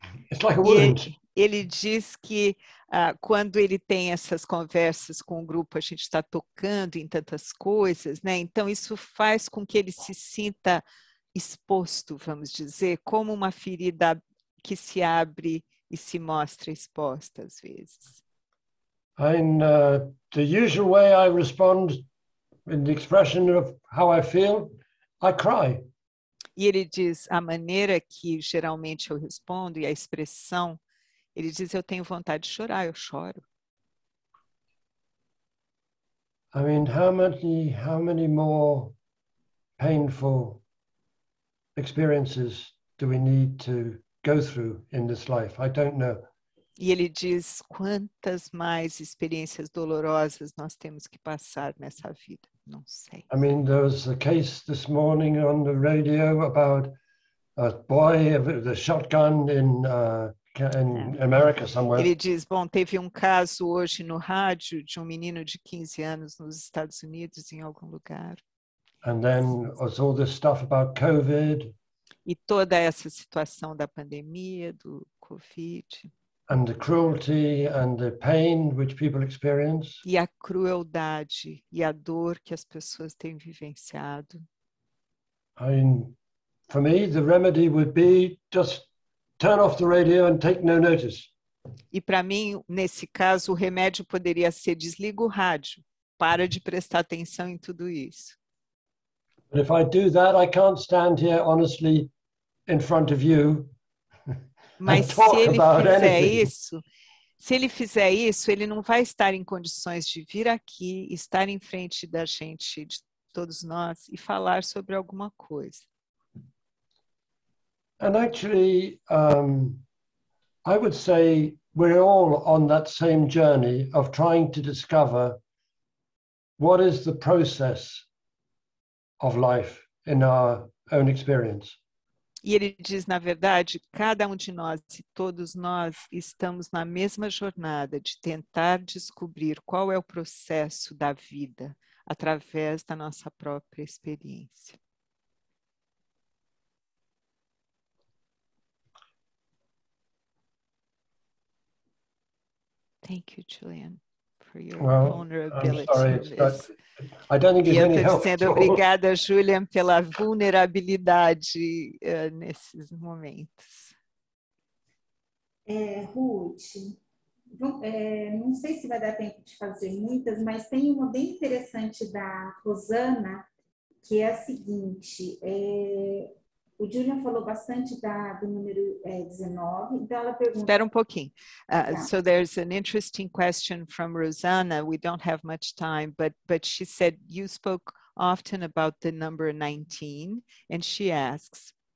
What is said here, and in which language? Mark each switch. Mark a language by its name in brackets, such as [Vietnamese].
[English] It's like a wound. [Portuguese] Ele diz que quando ele tem essas conversas com o grupo, a gente está tocando em tantas coisas, né? Então, isso faz com que ele se sinta exposto, vamos dizer, como uma ferida que se abre e se mostra exposta às vezes. [English] In the usual way I respond, in the expression of how I feel, I cry. [Portuguese] E ele diz, a maneira que geralmente eu respondo e a expressão, ele diz, eu tenho vontade de chorar, eu choro. [English] I mean, how many more painful experiences do we need to go through in this life? I don't know. [Portuguese] E ele diz, quantas mais experiências dolorosas nós temos que passar nessa vida? Não sei. [English] I mean, there was a case this morning on the radio about a boy with a shotgun in America somewhere. [Portuguese] Ele diz, bom, teve caso hoje no rádio de menino de 15 anos nos Estados Unidos, em algum lugar. [English] And then was all this stuff about COVID. [Portuguese] E toda essa situação da pandemia, do COVID. [English] And the cruelty and the pain which people experience. [Portuguese] E a crueldade e a dor que as pessoas têm vivenciado. [English] I mean, for me, the remedy would be just turn off the radio and take no notice. [Portuguese] E para mim, nesse caso, o remédio poderia ser desliga o rádio, para de prestar atenção em tudo isso. [English] But if I do that, I can't stand here honestly in front of you. [Portuguese] Mas [English] and talk [Portuguese] se ele [English] about [Portuguese] fizer [English] anything. [Portuguese] Isso, se ele fizer isso, ele não vai estar em condições de vir aqui, estar em frente da gente, de todos nós e falar sobre alguma coisa. [English] And actually, I would say we're all on that same journey of trying to discover what is the process of life in our own experience. [Portuguese] E ele diz, na verdade, cada de nós e todos nós estamos na mesma jornada de tentar descobrir qual é o processo da vida através da nossa própria experiência. [English] Thank you, Julian, for your well, vulnerability. I'm sorry, I don't think it's any help. [Portuguese] E eu estou dizendo obrigada, Julian, pela vulnerabilidade nesses momentos. Ruth, não sei se vai dar tempo de fazer muitas, mas tem uma bem interessante da Rosana, que é a seguinte. O Julian falou bastante do número 19, então ela pergunta... Espera pouquinho. [English] So there's an interesting question from Rosanna. We don't have much time, but she said you spoke often about the number 19, and she asks...